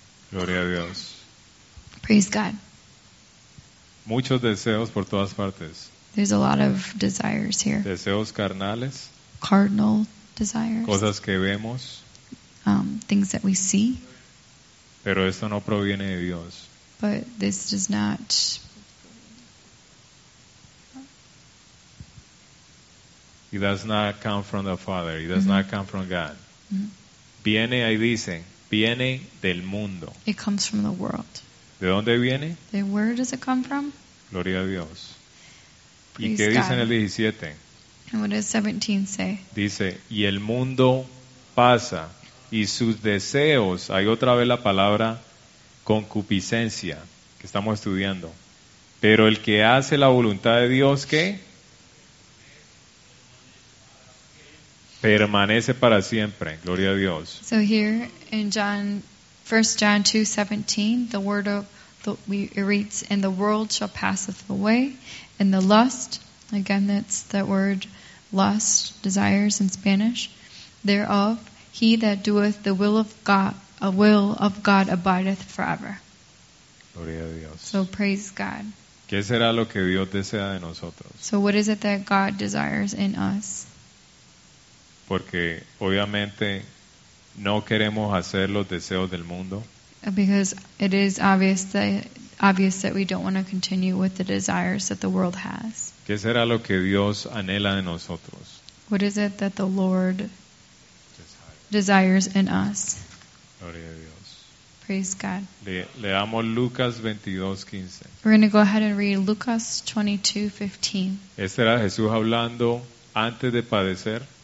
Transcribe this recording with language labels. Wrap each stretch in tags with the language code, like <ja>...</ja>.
<es>Gloria a Dios.</es> <en>Praise God.</en> <es>Muchos deseos por todas partes.</es> <en>There's a lot of desires here.</en> <es>Deseos carnales.</es> <en>Carnal desires.</en> <es>Cosas que vemos.</es> <en>Things that we see.</en> <es>Pero esto no proviene de Dios.</es> <en>But this does not. It does not come from the Father. It does not come from God.</en> <es>Mm-hmm. Viene, ahí dice, viene del mundo.</es> <en>It comes from the world.</en> <es>¿De dónde viene?</es> <en>The word does it come from?</en> <es>Gloria a Dios.</es> <en>Praise</en> <es>¿Y qué</es> <en>God.</en> <es>Dice en el 17?</es> <en>And what does 17 say?</en> <es>Dice, y el mundo pasa y sus deseos, hay otra vez la palabra concupiscencia que estamos estudiando. Pero el que hace la voluntad de Dios, ¿qué? Permanece para siempre. Gloria a Dios.</es> <en>So here in John 1 John 2:17, the word of it reads, and the world shall passeth away, and the lust, again that's that word lust, desires in Spanish, thereof, he that doeth the will of God, a will of God abideth forever.</en> <es>Gloria a Dios.</es> <en>So praise God.</en> <es>¿Qué será lo que Dios desea de nosotros?</es> <en>So what is it that God desires in us?</en> <es>Porque obviamente no queremos hacer los deseos del mundo.</es> <en>Because it is obvious that obvious that we don't want to continue with the desires that the world has.</en> <es>¿Qué será lo que Dios anhela de nosotros?</es> <en>What is it that the Lord desires in us?</en> <es>Gloria a Dios.</es> <en>Praise God.</en> <es>Leamos Lucas 22:15.</es> <en>We're going to go ahead and read Lucas 22:15.</en> <es>Este era Jesús hablando antes de padecer.</es>